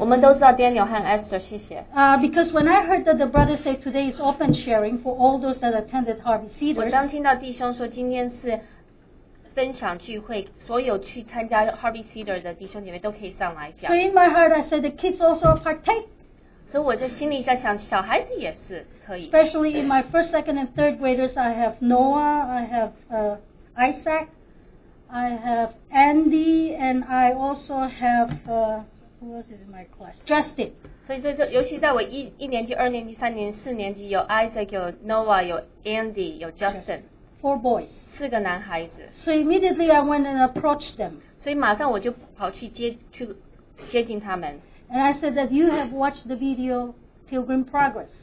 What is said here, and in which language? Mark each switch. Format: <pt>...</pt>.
<zh>我们都知道 Daniel 和 Esther, 谢谢。</zh> <en>Because when I heard that the brother said today is open sharing for all those that attended Harvey Cedars,</en> <zh>我当听到弟兄说今天是分享聚会，所有去参加 Harvey Cedars 的弟兄姐妹都可以上来讲。</zh> <en>So in my heart, I said the kids also partake.</en> <zh>所以我在心里在想，小孩子也是可以。</zh> <en>Especially in my first, second, and third graders, I have Noah, I have Isaac. I have Andy, and I also have, who else is in my class? Justin.</en> <zh>所以说，尤其在我一年级、二年级、三年级、四年级，有 Isaac, 有 Noah, 有 Andy, 有 Justin.</zh> <en>Four boys.</en> <zh>四个男孩子。</zh> <en>So immediately I went and approached them.</en> <zh>所以马上我就跑去接近他们。</zh> <en>And I said that you have watched the video Pilgrim Progress.</en>